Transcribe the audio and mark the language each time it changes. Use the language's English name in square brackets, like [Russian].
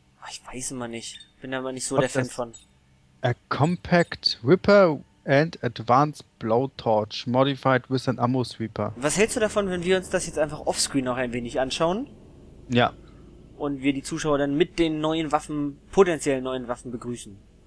[German] Ich weiß immer nicht. Bin da aber nicht so der Fan von. [English] A Compact Ripper and Advanced Blowtorch, modified with an Ammo Sweeper. [German] Was hältst du davon, wenn wir uns das jetzt einfach offscreen noch ein wenig anschauen? Ja. Und wir die Zuschauer dann mit den neuen Waffen, potenziell neuen Waffen, begrüßen.